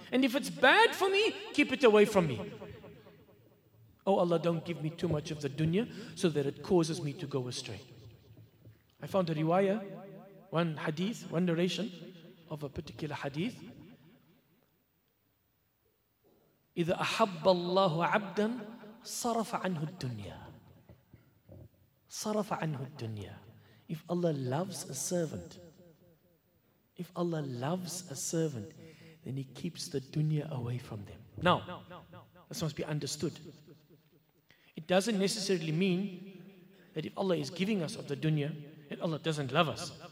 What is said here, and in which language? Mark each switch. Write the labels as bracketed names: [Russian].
[English] And if it's bad for me, keep it away from me. Oh Allah, don't give me too much of the dunya so that it causes me to go astray. I found a riwaya, one hadith, one narration of a particular hadith. [Arabic] إذا أحب الله عبدا صرف عنه الدنيا صرف عنه الدنيا. [English] If Allah loves a servant, if Allah loves a servant, then He keeps the dunya away from them. Now, this must be understood. It doesn't necessarily mean that if Allah is giving us of the dunya, that Allah doesn't love us.